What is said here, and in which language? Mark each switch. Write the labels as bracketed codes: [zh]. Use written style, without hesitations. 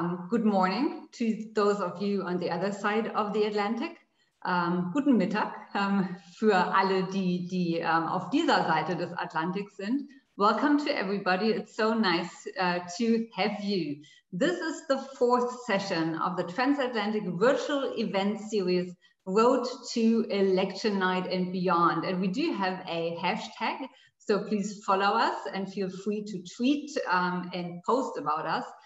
[en] Good morning to those of you on the other side of the Atlantic. [de] Guten Mittag für alle, die auf dieser Seite des Atlantiks sind. [en] Welcome to everybody. It's so nice to have you. This is the fourth session of the Transatlantic Virtual Event Series, Road to Election Night and Beyond. And we do have a hashtag, so please follow us and feel free to tweet and post about us.